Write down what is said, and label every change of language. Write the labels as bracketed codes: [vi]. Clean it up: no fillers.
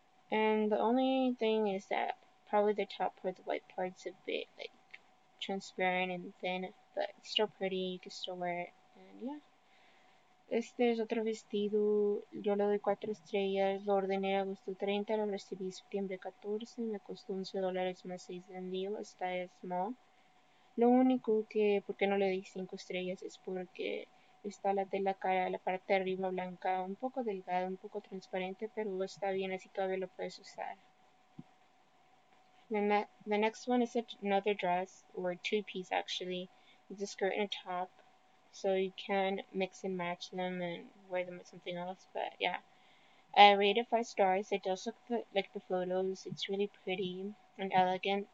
[en] And the only thing is that probably the top part, the white part's a bit like transparent and thin, but it's still pretty. You can still wear it. And yeah. [es] Este es otro vestido, yo le doy 4 estrellas, lo ordené agosto 30, lo recibí septiembre 14, me costó $11 más 6 de envío, está es small. Lo único que, ¿por qué no le di 5 estrellas? Es porque está la tela cara, la parte de arriba blanca, un poco delgada, un poco transparente, pero está bien, así todavía lo puedes usar. [en] The next one is another dress, or two piece actually, with a skirt and a top. So you can mix and match them and wear them with something else, but yeah. I rated 5 stars. It does look like the photos. It's really pretty and elegant.